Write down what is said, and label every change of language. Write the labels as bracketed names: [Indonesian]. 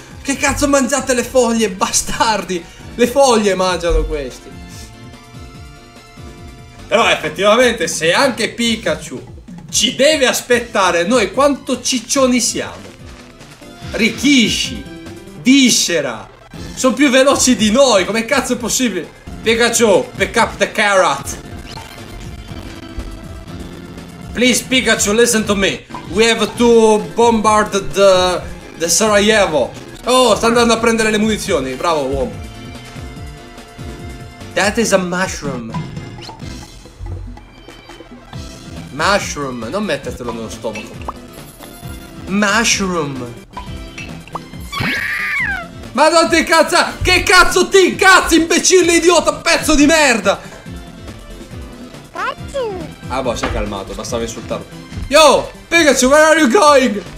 [Italian] Che cazzo mangiate le foglie, bastardi? Le foglie mangiano questi! Però effettivamente, se anche Pikachu ci deve aspettare, noi quanto ciccioni siamo? Rikishi, Viscera, sono più veloci di noi, come cazzo è possibile? [English] Pikachu, pick up the carrot! Please Pikachu, listen to me! We have to bombard the Sarajevo! [Italian] Oh, sta andando a prendere le munizioni, bravo uomo! [English] That is a mushroom! [Italian] Mushroom, non mettertelo nello stomaco. Mushroom. Ma non ti incazza! Che cazzo ti incazzi, imbecille idiota, pezzo di merda! Cazzo. Ah boh, si è calmato, bastava insultarlo. [English] Yo, Pikachu, where are you going?